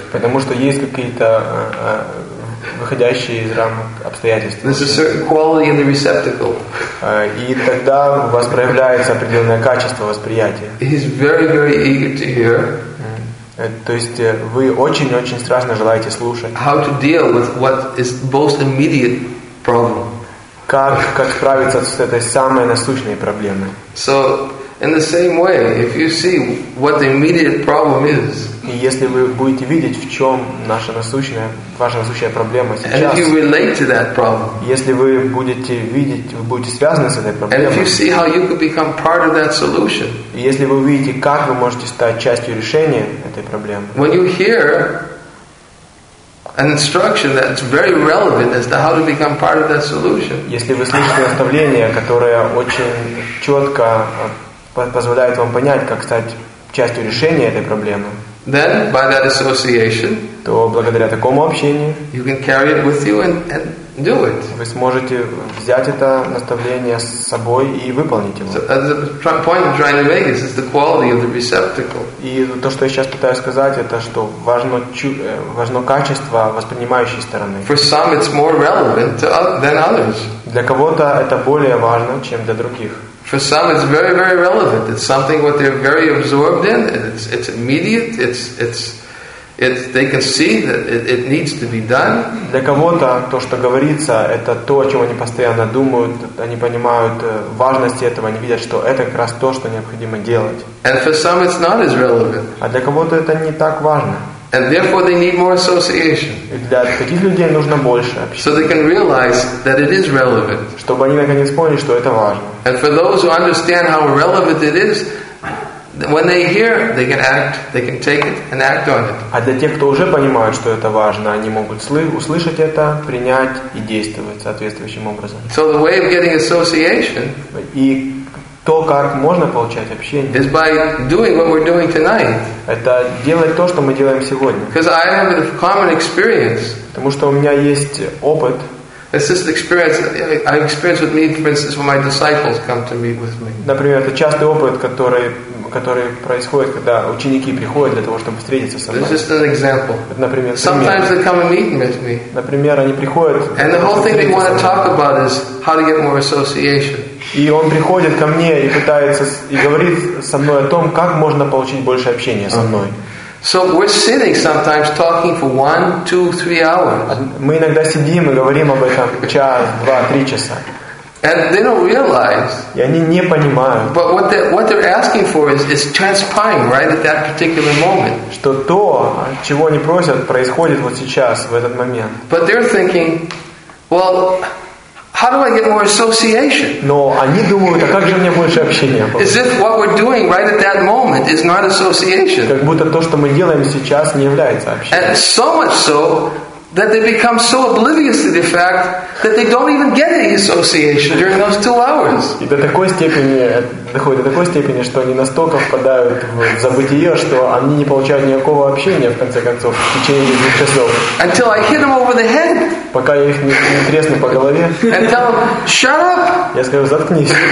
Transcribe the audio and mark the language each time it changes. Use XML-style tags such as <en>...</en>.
<ru>Потому что есть какие-то выходящие из рамок обстоятельств.</ru> <en>There's a certain quality in the receptacle.</en> <ru>И тогда у вас проявляется определенное качество восприятия.</ru> <en>He's very, very eager to hear.</en> <ru>То есть вы очень-очень страстно желаете слушать.</ru> <en>How to deal with what is most immediate problem?</en> <ru>Как справиться с этой самой насущной проблемой?</ru> <en>So in the same way, if you see what the immediate problem is.</en> <ru>И если вы будете видеть, в чем наша насущная, ваша насущная проблема сейчас,</ru> <en>problem,</en> <ru>если вы будете видеть, вы будете связаны с этой проблемой,</ru> <en>solution,</en> <ru>и если вы увидите, как вы можете стать частью решения этой проблемы,</ru> <en>when you hear an instruction that's very relevant as to how to become part of that solution,</en> <ru>если вы слышите наставление, которое очень четко позволяет вам понять, как стать частью решения этой проблемы.</ru> <en>Then, by that association,</en> <ru>то благодаря такому общению,</ru> <en>you can carry it with you and do it.</en> <ru>Вы сможете взять это наставление с собой и выполнить его.</ru> <en>So, the point I'm trying to make is the quality of the receptacle.</en> <ru>И то, что я сейчас пытаюсь сказать, это что важно качество воспринимающей стороны.</ru> <en>For some, it's more relevant than others.</en> <ru>Для кого-то это более важно, чем для других.</ru> <en>For some, it's very, very relevant. It's something what they're very absorbed in, and it's immediate. It's they can see that it needs to be done.</en> <ru>Для кого-то то, что говорится, это то, о чем они постоянно думают. Они понимают важность этого, они видят, что это как раз то, что необходимо делать.</ru> <en>And for some, it's not as relevant.</en> <ru>А для кого-то это не так важно.</ru> <en>And therefore, they need more association.</en> <ru>Для таких людей нужно больше общения.</ru> <en>So they can realize that it is relevant.</en> <ru>Чтобы они наконец поняли, что это важно.</ru> <en>And for those who understand how relevant it is, when they hear, they can act. They can take it and act on it.</en> <ru>А для тех, кто уже понимает, что это важно, они могут услышать это, принять и действовать соответствующим образом.</ru> <en>So the way of getting association.</en> <ru>И то, как можно получать общение,</ru> <en>is by doing what we're doing tonight.</en> <ru>Это делать то, что мы делаем сегодня.</ru> <en>Because I have a common experience.</en> <ru>Потому что у меня есть опыт.</ru> <en>It's just experience. I experience with me, for instance, when my disciples come to meet with me.</en> <ru>Например, это частый опыт, который происходит, когда ученики приходят для того, чтобы встретиться со мной.</ru> <en>This is just an example.</en> <ru>Это, например,</ru> <en>sometimes they come and meet with me.</en> <ru>Например, они приходят.</ru> <en>And the whole thing they want to talk about is how to get more association.</en> <ru>И он приходит ко мне и пытается и говорит со мной о том, как можно получить больше общения со мной.</ru> <en>So we're sitting sometimes talking for 1, 2, 3 hours.</en> <ru>Мы иногда сидим и говорим об этом час, два, три часа.</ru> <en>And they don't realize.</en> <ru>И они не понимают.</ru> <en>But what they're asking for is transpiring right at that particular moment.</en> <ru>Что то, чего они просят, происходит вот сейчас, в этот момент.</ru> <en>But they're thinking, Well, how do I get more association?</en> <ru>Но они думают, а как же мне больше общения?</ru> <en>As if what we're doing right at that moment is not association.</en> <ru>Как будто то, что мы делаем сейчас, не является общением.</ru> <en>And so much so that they become so oblivious to the fact that they don't even get any association during those 2 hours.</en> <ru>И до такой степени доходит, до такой степени, что они настолько впадают в забытие, что они не получают никакого общения в конце концов в течение 2 часов.</ru> <en>Until I hit them over the head.</en> <ru>Пока я их не тресну по голове.</ru> <en>And tell them, shut up.</en> <ru>Я скажу, заткнись.</ru>